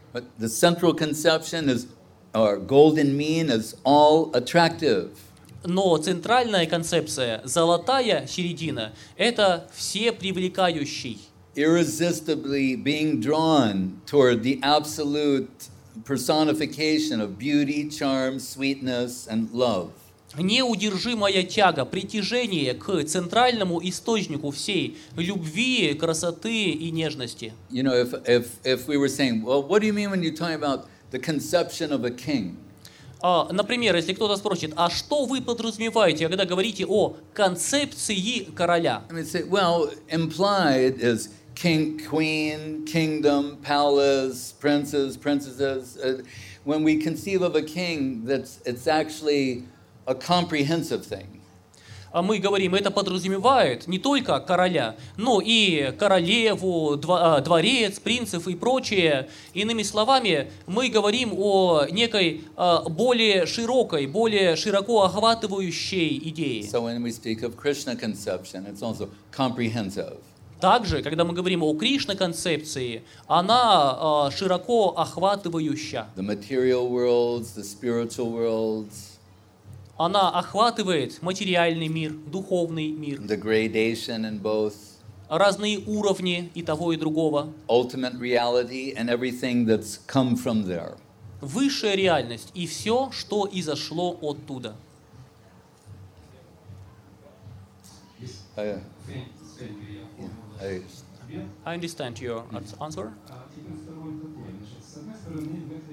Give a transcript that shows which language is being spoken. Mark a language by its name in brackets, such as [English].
[English] But the central conception is, or golden mean, is all attractive. [Russian] Но центральная концепция, золотая середина, это всепривлекающий. [English] Irresistibly being drawn toward the absolute personification of beauty, charm, sweetness, and love. [Russian] Неудержимая тяга, притяжение к центральному источнику всей любви, красоты и нежности. [English] You know, if we were saying, well, what do you mean when you're talking about the conception of a king? [Russian] Например, если кто-то спросит, а что вы подразумеваете, когда говорите о концепции короля? [English] Well, implied is king, queen, kingdom, palace, princes, princesses. When we conceive of a king, it's actually a comprehensive thing. [Russian] Мы говорим, это подразумевает не только короля, но и королеву, дворец, принцев и прочее. Иными словами, мы говорим о некой более широкой, более широко охватывающей идее. [English] So when we speak of Krishna conception, it's also comprehensive. [Russian] Также, когда мы говорим о Кришна концепции, она широко охватывающая. [English] The material worlds, the spiritual worlds. [Russian] Она охватывает материальный мир, духовный мир. [English] The gradation in both. [Russian] Разные уровни и того, и другого. [English] Ultimate reality and everything that's come from there. [Russian] Высшая реальность и все, что изошло оттуда. [English] I understand your answer. [Russian] С одной стороны, такое. С одной стороны,